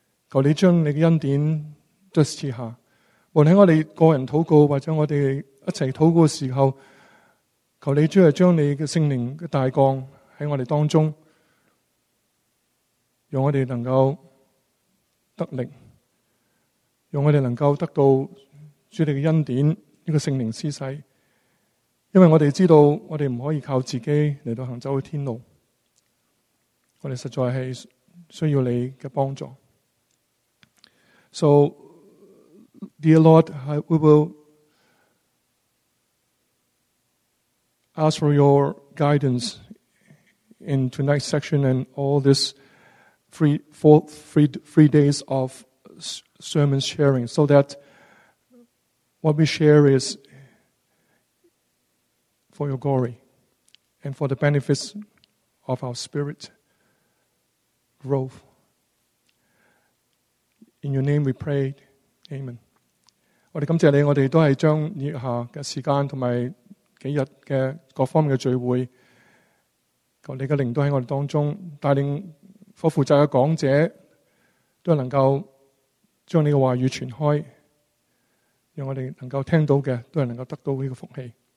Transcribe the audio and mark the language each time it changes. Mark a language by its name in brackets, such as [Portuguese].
[Chinese] 求你将你的恩典都赐下，无论在我们个人祷告或者我们一起祷告的时候，求你主要将你的圣灵的大降在我们当中，让我们能够得力，让我们能够得到主你的恩典，这个圣灵施洗，因为我们知道我们不可以靠自己来到行走的天路，我们实在是需要你的帮助。 [English] So, dear Lord, we will ask for your guidance in tonight's section and all these three days of sermon sharing, so that what we share is for your glory and for the benefits of our spirit growth. In your name we pray, Amen. [Chinese] 我们感谢你，我们都是将以下的时间和几日的各方面的聚会，求你的灵都在我们当中，带领所负责的讲者都能够将你的话语传开，让我们能够听到的都能够得到这个福气。